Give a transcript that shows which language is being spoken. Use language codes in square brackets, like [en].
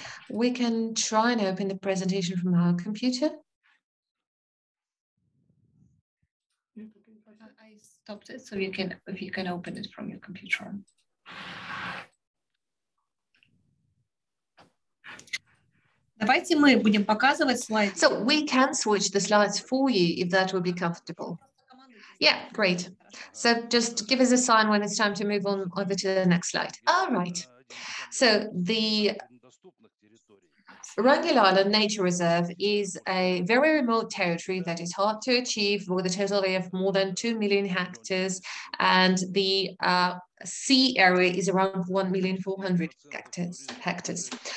[en] We can try and open the presentation from our computer. I stopped it, so if you can open it from your computer. [ru] Давайте мы будем показывать слайды. [en] So we can switch the slides for you if that would be comfortable. Yeah, great. So just give us a sign when it's time to move on over to the next slide. All right. So the Wrangel Island Nature Reserve is a very remote territory that is hard to achieve with a total area of more than 2 million hectares, and the sea area is around 1,400,000 hectares.